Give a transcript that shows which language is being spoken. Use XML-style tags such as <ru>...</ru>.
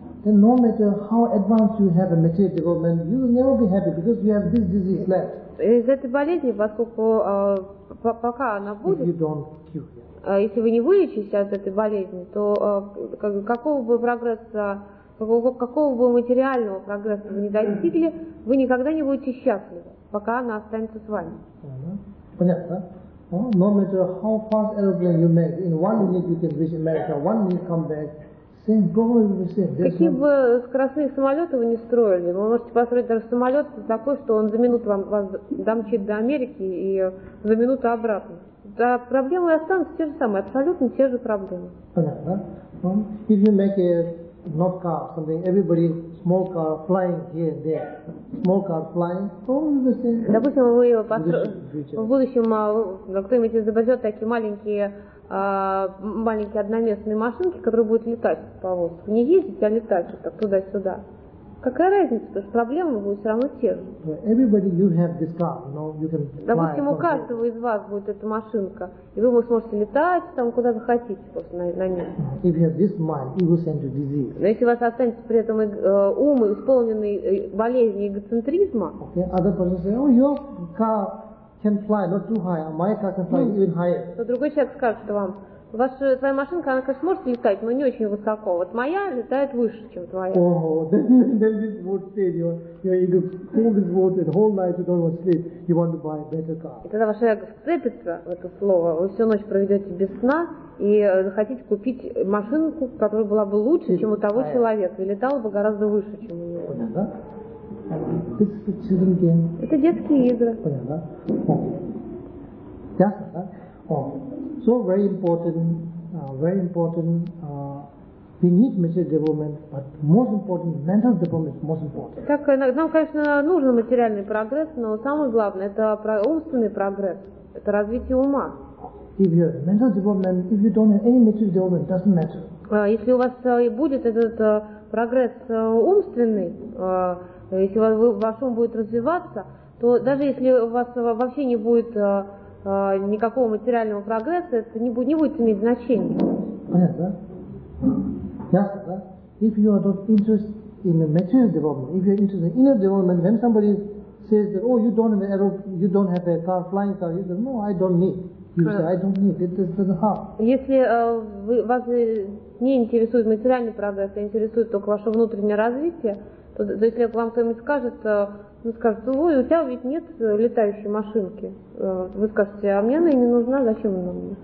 <en>Then no matter how advanced you have a material development, you will never be happy because you have this disease left.</en> <ru>Из этой болезни, поскольку пока она будет,</ru> <en>if you don't cure,</en> <ru>если вы не вылечитесь от этой болезни, то какого бы материального прогресса вы не достигли, вы никогда не будете счастливы, пока она останется с вами. Понятно?</ru> <en>No matter how fast aeroplane you make, in 1 minute you can reach America, 1 minute come back.</en> <ru>Какие бы скоростные самолеты вы ни строили, вы можете построить даже самолет такой, что он за минуту вас домчит до Америки и за минуту обратно. Да, проблемы останутся те же самые, абсолютно те же проблемы. Понятно.</ru> <en>If you make a not car something, everybody small car flying here and there, small car flying, probably the same.</en> <ru>Допустим, вы его построите в будущем, кто-нибудь изобретет такие маленькие одноместные машинки, которые будут летать по воздуху. Не ездить, а летать вот так туда-сюда. Какая разница, потому что проблемы будут все равно те же.</ru> <en>Everybody, you have this car, you know, you can fly.</en> <ru>Допустим, у каждого из вас будет эта машинка, и вы сможете летать там куда захотите просто на ней.</ru> <en>If you have this mind, egocentric disease.</en> <ru>Но если у вас останется при этом ум, исполненный болезнью эгоцентризма,</ru> <en>okay. Other person say, oh, your car can fly, not too high. My car can fly even higher.</en> <ru>Но другой человек скажет, что вам, твоя машинка, она, конечно, может летать, но не очень высоко. Вот моя летает выше, чем твоя.</ru> <en>Oh, then this would say, your ego pulls this word and whole night you don't want to sleep. You want to buy a better car.</en> <ru>И тогда ваше эго вцепится в это слово, вы всю ночь проведете без сна и захотите купить машинку, которая была бы лучше, чем у того человека, и летала бы гораздо выше, чем у него. Понятно?</ru> <en>This is the children game.</en> <ru>Это детские игры. Понятно? Да? Да?</ru> <en>So very important, we need material development, but most important, mental development is most important.</en> <ru>Так, нам, конечно, нужен материальный прогресс, но самое главное, это умственный прогресс, это развитие ума.</ru> <en>If you have mental development, if you don't have any material development, it doesn't matter.</en> <ru>Если у вас и будет этот прогресс умственный, если ваш ум будет развиваться, то даже если у вас вообще не будет никакого материального прогресса, это не будет иметь значения. Понятно, да? Ясно, да?</ru> <en>If you are not interested in the material development, if you are interested in inner development, when somebody says that, oh, you don't have a car, flying car, you say, no, I don't need. You say, I don't need. It just doesn't help.</en> <ru>Если вас не интересует материальный прогресс, а интересует только ваше внутреннее развитие, то если вам кто-нибудь скажет, вы скажете, ой, у тебя ведь нет летающей машинки. Вы скажете, а мне она и не нужна, зачем она мне?</ru>